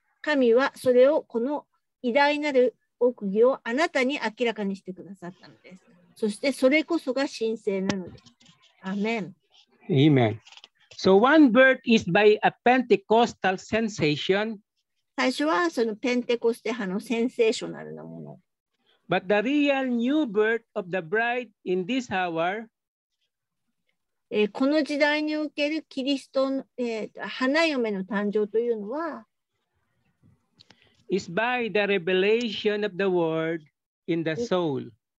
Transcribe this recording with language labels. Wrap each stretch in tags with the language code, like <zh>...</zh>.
<ja>神はそれをこの偉大なる奥義をあなたに明らかにしてくださったのです。そしてそれこそが神聖なのです。アーメン。</ja> <en>アーメン。So one birth is by a Pentecostal sensation.</en> <ja>最初はそのペンテコステ派のセンセーショナルなもの。</ja> <en>But the real new birth of the bride in this hour,</en> <ja>この時代におけるキリストの、花嫁の誕生というのは、</ja> <en>is by the revelation of the word in the soul.</en>